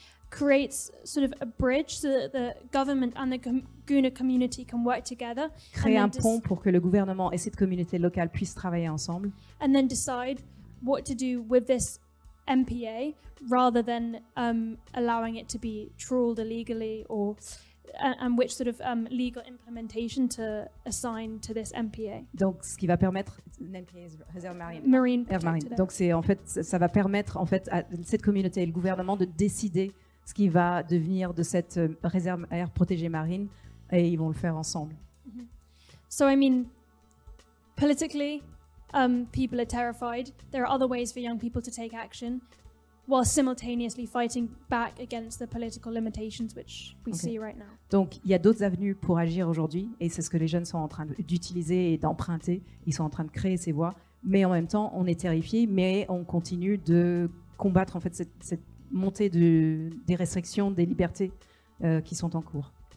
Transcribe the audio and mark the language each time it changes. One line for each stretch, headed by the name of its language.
English: Creates sort of a bridge so that the government and the Guna community can work together.
French: Crée un pont pour que le gouvernement et cette communauté locale puissent travailler ensemble.
English: And then decide what to do with this MPA rather than allowing it to be trawled illegally or and which sort of legal implementation to assign to this MPA.
French: Donc ce qui va permettre
English: MPA is Reserve Marine.
French: Reserve Marine. Donc c'est en fait ça va permettre en fait à cette communauté et le gouvernement de décider ce qui va devenir de cette réserve aérienne protégée marine et ils vont le faire ensemble.
English: Mm-hmm. So I mean politically people are terrified. There are other ways for young people to take action while simultaneously fighting back against the political limitations which we okay. see right now.
French: Donc il y a d'autres avenues pour agir aujourd'hui et c'est ce que les jeunes sont en train d'utiliser et d'emprunter, ils sont en train de créer ces voies, mais en même temps on est terrifié mais on continue de combattre en fait cette montée des restrictions des libertés qui sont en cours.